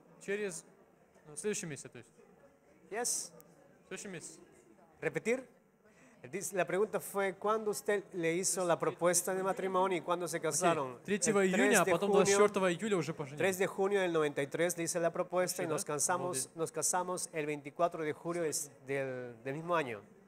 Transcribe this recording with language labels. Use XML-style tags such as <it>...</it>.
<ru>Через следующий месяц, то есть.</ru> <en>Yes.</en> <ru>Следующий месяц.</ru> <es>Repetir? La pregunta fue cuándo usted le hizo la propuesta de matrimonio y cuándo se casaron.</es> <ru>3 июня, а потом 24 июля уже поженились.</ru> <es>3 de junio del 93 le hice la propuesta y nos casamos el 24 de julio del mismo año.</es>